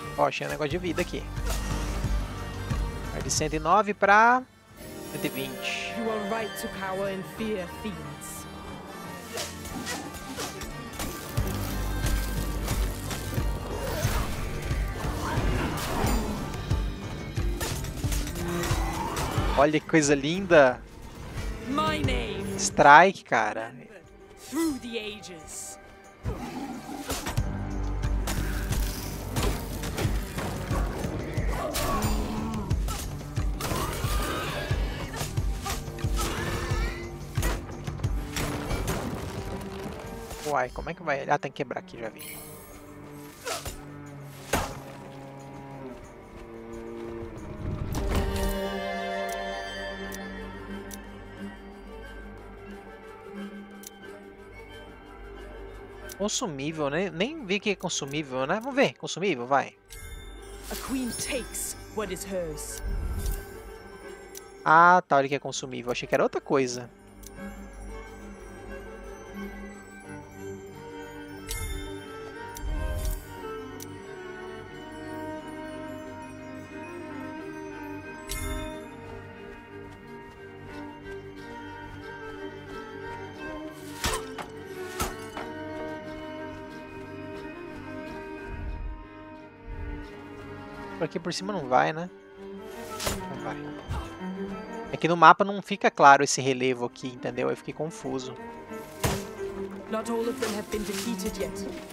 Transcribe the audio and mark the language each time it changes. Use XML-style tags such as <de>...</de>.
<pt>Tinha um negócio de vida aqui. Vai de 109 pra 120.</pt> <en>You are right to cower in fear, fiends.</en> <pt>Olha que coisa linda.</pt> <en>My name.</en> <pt>Strike, cara.</pt> <en>Through the ages.</en> <pt>Uai, como é que vai? Ah, tem que quebrar aqui, já vi. Consumível, né? Nem vi que é consumível, né? Vamos ver, consumível, vai.</pt> <en>A queen takes what is hers.</en> <pt>Ah, tá, olha que é consumível. Achei que era outra coisa. Aqui por cima não vai, né? Não vai. É que no mapa não fica claro esse relevo aqui, entendeu? Eu fiquei confuso.</pt> <en>Not all of them have been defeated yet.</en>